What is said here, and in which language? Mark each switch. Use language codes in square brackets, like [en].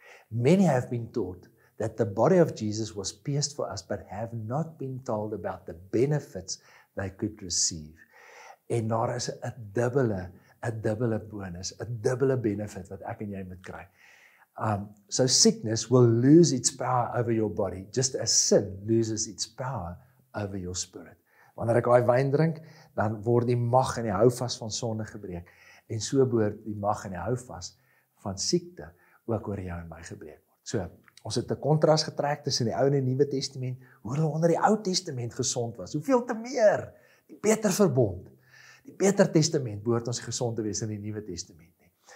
[en] Many have been taught that the body of Jesus was pierced for us, but have not been told about the benefits they could receive. [af] En daar is 'n dubbele bonus, 'n dubbele benefit wat ek en jy moet kry. [en] So sickness will lose its power over your body, just as sin loses its power over your spirit. [af] Wanneer ek daai wyn drink, dan word die mag en die houvas van sonde gebreek. En so behoort die mag en die houvas van siekte ook oor jou en my gebreek word. So, ons het 'n kontras getrek tussen die Ou en die Nuwe Testament, hoe hulle onder die Ou Testament gesond was. Hoeveel te meer? Die beter verbond. Die beter testament behoort ons gesond te wees in die Nuwe Testament nie.